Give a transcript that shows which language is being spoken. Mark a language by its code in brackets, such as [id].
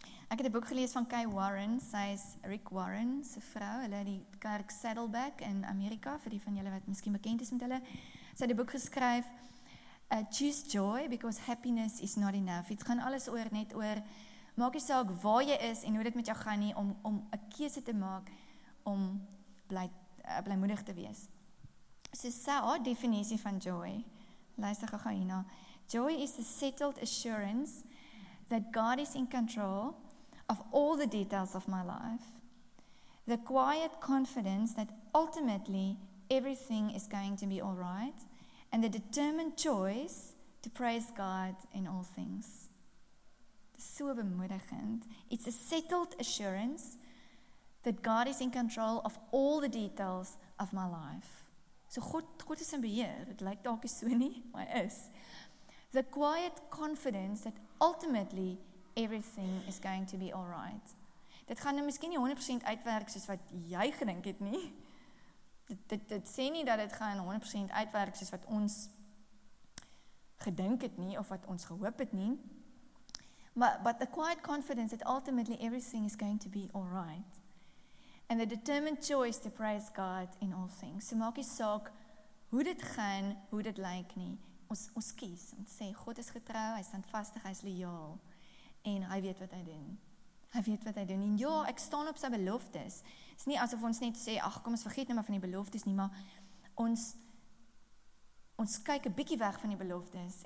[af] Ek het 'n boek gelees van Kay Warren, sy is Rick Warren, sy vrou, hulle het die kerk Saddleback in Amerika, vir die van julle wat miskien bekend is met hulle, sy het die boek geskryf, Choose Joy, Because Happiness is Not Enough. Dit gaan alles oor net oor, maak nie saak waar jy is en hoe dit met jou gaan nie, om 'n keuse te maak, om blymoedig te wees. So sê haar definisie van joy, luister gou hierna, [en] joy is the settled assurance that God is in control of all the details of my life, the quiet confidence that ultimately everything is going to be all right, and the determined choice to praise God in all things. [af] So bemoedigend. [en] It's a settled assurance that God is in control of all the details of my life. [af] So God is in beheer. Dit lyk dalk so nie, maar is. [en] The quiet confidence that ultimately everything is going to be all right. [af] Dit gaan nou miskien nie 100% uitwerk soos wat jy gedink het nie. Dit sê nie dat dit gaan 100% uitwerk soos wat ons gedink het nie of wat ons gehoop het nie. [en] But the quiet confidence that ultimately everything is going to be all right. And the determined choice to praise God in all things. [af] So maak nie saak hoe dit gaan, hoe dit lyk nie. Ons kies om te sê, God is getrou, hy is standvastig, hy is loyaal. En hy weet wat hy doen. Hy weet wat hy doen. En ja, ek staan op sy beloftes. Het is nie asof ons net sê, ach kom, ons vergeet nie maar van die beloftes nie. Maar ons kyk 'n bietjie weg van die beloftes.